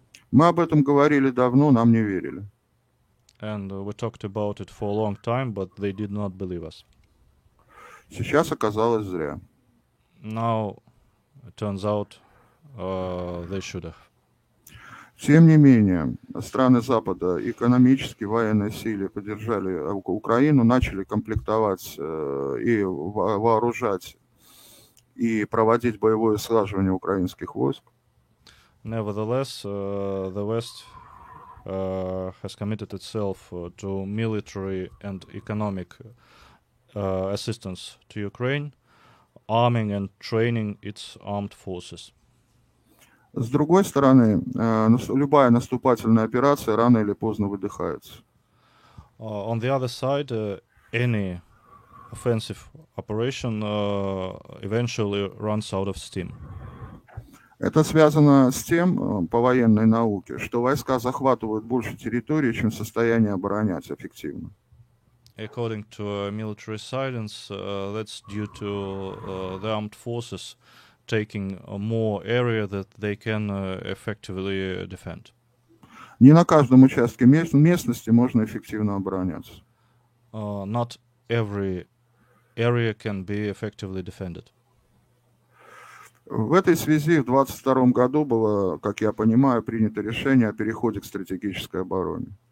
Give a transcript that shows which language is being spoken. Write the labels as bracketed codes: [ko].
[ru] Мы об этом говорили давно, нам не верили. [en] And we talked about it for a long time, but they did not believe us. [ru] Сейчас оказалось зря. [en] Now, it turns out, they should have. [ru] Тем не менее, страны Запада экономически, военной силе поддержали Украину, начали комплектовать и вооружать и проводить боевое слаживание украинских войск. [en] Nevertheless, the West has committed itself to military and economic assistance to Ukraine, arming and training its armed forces. [ru] С другой стороны, любая наступательная операция рано или поздно выдыхается. [en] On the other side, any offensive operation eventually runs out of steam. [ru] Это связано с тем, по военной науке, что войска захватывают больше территории, чем в состоянии оборонять эффективно. [en] According to military science, that's due to the armed forces taking more area that they can effectively defend. [ru] Не на каждом участке местности можно эффективно обороняться. [en] Not every area can be effectively defended. [ru] В этой связи в 2022 году было, как я понимаю, принято решение о переходе к стратегической обороне.